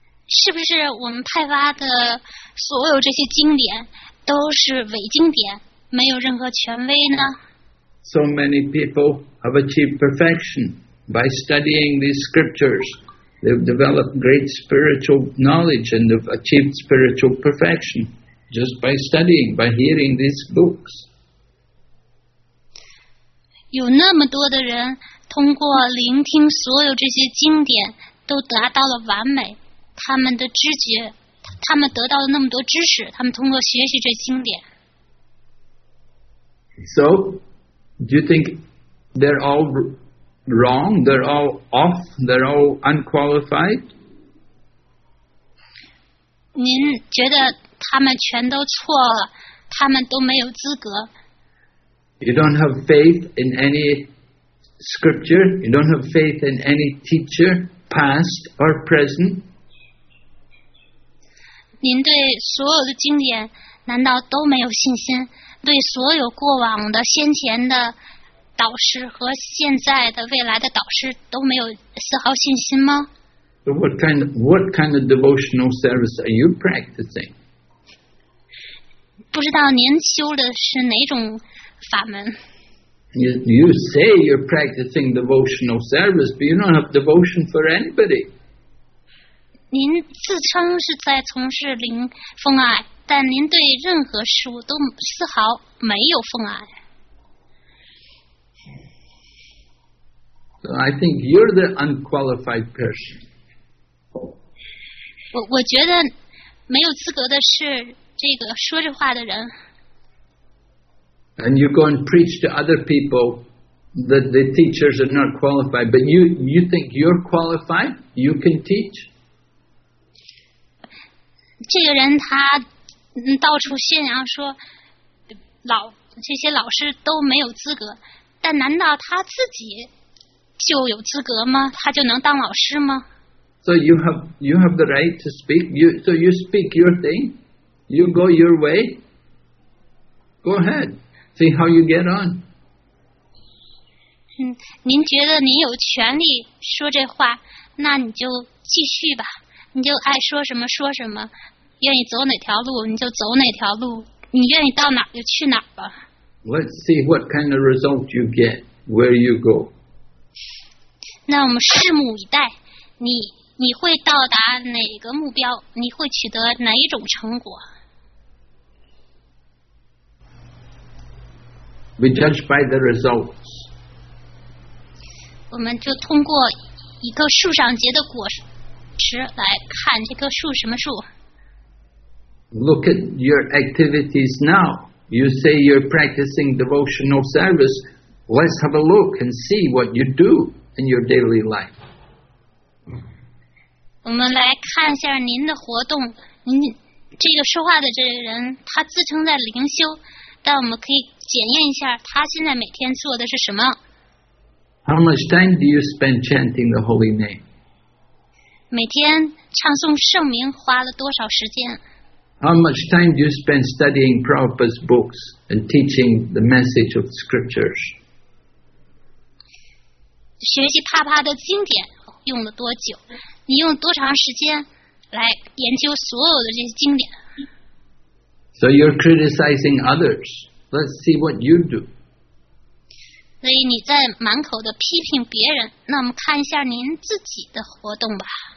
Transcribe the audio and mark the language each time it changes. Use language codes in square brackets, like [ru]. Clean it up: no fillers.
[zh] 是不是我们派发的所有这些经典都是伪经典，没有任何权威呢？ [en] So many people have achieved perfection by studying these scriptures. They've developed great spiritual knowledge and they've achieved spiritual perfection. Just by studying, by hearing these books. [zh] 有那么多的人通过聆听所有这些经典都达到了完美，他们的知觉，他们得到了那么多知识，他们通过学习这经典。 [en] So, do you think they're all wrong? They're all off? They're all unqualified? [zh] 您觉得他们全都错了，他们都没有资格。 [en] You don't have faith in any scripture. You don't have faith in any teacher, past or present. [zh] 您对所有的经典难道都没有信心？对所有过往的、先前的、导师和现在的未来的导师都没有丝毫信心吗？ [en] What kind of devotional service are you practicing? [zh] 不知道您修的是哪种法门。 [en] You say you're practicing devotional service, but you don't have devotion for anybody. [zh] 您自称是在从事灵奉爱，但您对任何事物都丝毫没有奉爱。 [en] So I think you're the unqualified person. [zh] 我觉得没有资格的是这个说这话的人。 [en] And you go and preach to other people that the teachers are not qualified, but you think you're qualified? You can teach? [zh] 这个人他到处宣扬说这些老师都没有资格，但难道他自己就有资格吗？他就能当老师吗？ [en] So you have the right to speak. So you speak your thing. You go your way. Go ahead. See how you get on. [zh] 您觉得您有权利说这话，那你就继续吧，你就爱说什么说什么，愿意走哪条路你就走哪条路，你愿意到哪儿就去哪儿吧。 [en] Let's see what kind of result you get where you go. [zh] 那我们拭目以待，你会到达哪个目标，你会取得哪一种成果。 [en] We judge by the results. [zh] 我们就通过一棵树上结的果实来看这棵树什么树。 [en] Look at your activities now. You say you're practicing devotional service. Let's have a look and see what you do in your daily life. [zh] 我们来看一下您的活动。您这个说话的这个人，他自称在灵修。但我们可以检验一下他现在每天做的是什么。 [en] How much time do you spend chanting the holy name? [zh] 每天唱诵圣名花了多少时间？ [en] How much time do you spend studying Prabhupada's books and teaching the message of scriptures? [zh] 学习帕帕的经典用了多久？你用多长时间来研究所有的这些经典？ [en] So you're criticizing others. Let's see what you do. [zh] 所以你在满口的批评别人，那我们看一下您自己的活动吧。